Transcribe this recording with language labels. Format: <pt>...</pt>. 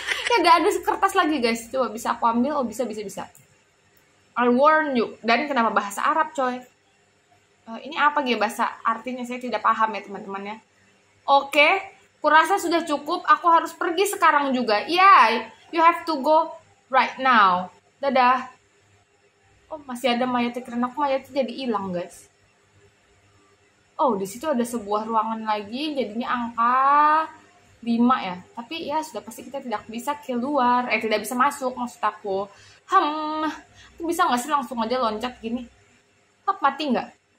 <id>Ya enggak ada kertas lagi guys. Coba bisa aku ambil? Oh, bisa.</id> <en>I warn you.</en> <id>Dan kenapa bahasa Arab, coy? Ini apa gitu bahasa artinya saya tidak paham ya, teman-teman ya. Okay. Kurasa sudah cukup, aku harus pergi sekarang juga.</id> <en>Iya, yeah, you have to go right now.</en> <id>Dadah. Oh, masih ada mayat, karena aku mayatnya jadi hilang, guys. Oh, di situ ada sebuah ruangan lagi, jadinya angka 5 ya. Tapi ya, sudah pasti kita tidak bisa keluar. Tidak bisa masuk, maksud aku. Aku bisa nggak sih langsung aja loncat gini? Hap, mati nggak?</id>